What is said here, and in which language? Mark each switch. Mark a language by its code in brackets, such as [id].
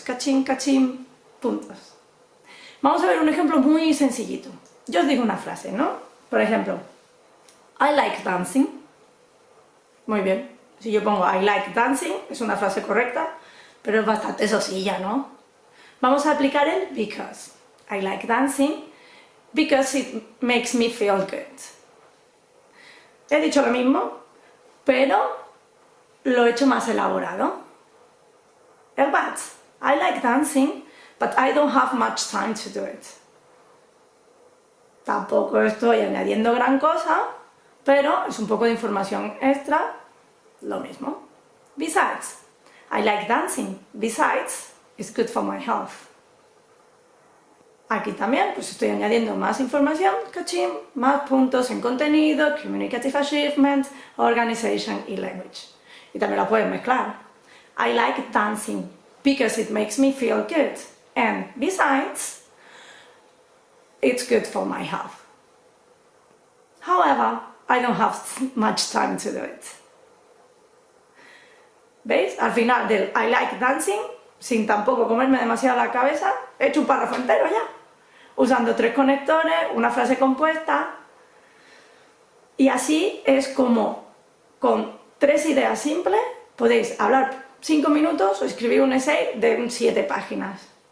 [es] Cachín, cachín, puntos. Vamos a ver un ejemplo muy sencillito. Yo os digo una frase, ¿no? Por ejemplo, [en] I like dancing. [es] Muy bien. Si yo pongo [en] I like dancing, [es] es una frase correcta, pero es bastante sosilla, ¿no? Vamos a aplicar el because. [en] I like dancing because it makes me feel good. [es] He dicho lo mismo, pero lo he hecho más elaborado. [en] El but. I like dancing. But I don't have much time to do it. [es] Tampoco estoy añadiendo gran cosa, pero es un poco de información extra, lo mismo. [en] Besides, I like dancing. Besides, it's good for my health. [es] Aquí también pues estoy añadiendo más información, cachín, más puntos en contenido, communicative achievement, organization y language. Y también lo puedes mezclar. [en] I like dancing because it makes me feel good. And besides, it's good for my health. However, I don't have much time to do it. [es] ¿Veis? Al final del [en] I like dancing, [es] sin tampoco comerme demasiado la cabeza, he hecho un párrafo entero ya. Usando tres conectores, una frase compuesta. Y así es como con tres ideas simples podéis hablar 5 minutos o escribir un essay de 7 páginas.